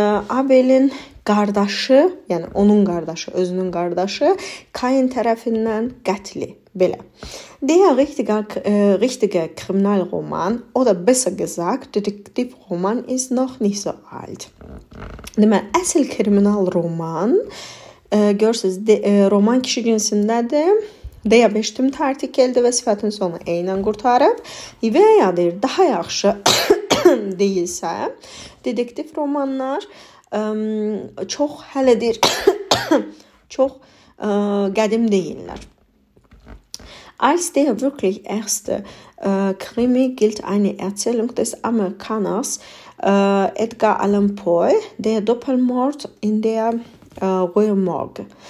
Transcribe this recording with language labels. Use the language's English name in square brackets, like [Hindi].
[Azerbaijani] Abelin qardaşı, yəni onun qardaşı, özünün qardaşı Kain tərəfindən qətli. Belə. [German] Der richtige Kriminalroman oder besser gesagt Detektiv Roman ist noch nicht so alt. [Azerbaijani] Deməli, əsl kriminal roman görsüz roman kişi cinsindədir. Deyə beşdim tərtik eldi və sifətin sonu eynən qurtarıb. Və ya deyir, daha yaxşı deyilsə, dedektiv romanlar çox hələdir, çox qədim deyirlər. [German] Als der wirklich erste Krimi gilt eine Erzählung des Amerikaners Edgar Allan Poe, der Doppelmord in der Rue Morgue.